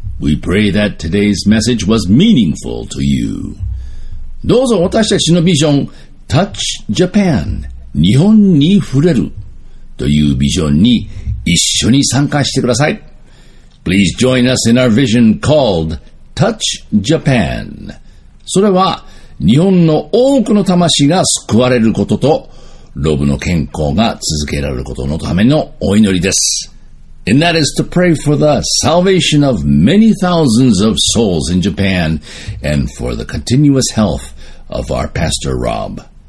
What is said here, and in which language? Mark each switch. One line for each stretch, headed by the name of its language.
English: We pray that today's message was meaningful to you.
Japanese: どうぞ私たちのビジョン、Touch Japan、日本に触れるというビジョンに一緒に参加してください。
English: Please join us in our vision called Touch Japan。
Japanese: それは日本の多くの魂が救われることと、ロブの健康が続けられることのためのお祈りです。
English: And that is to pray for the salvation of many thousands of souls in Japan and for the continuous health of our Pastor Rob.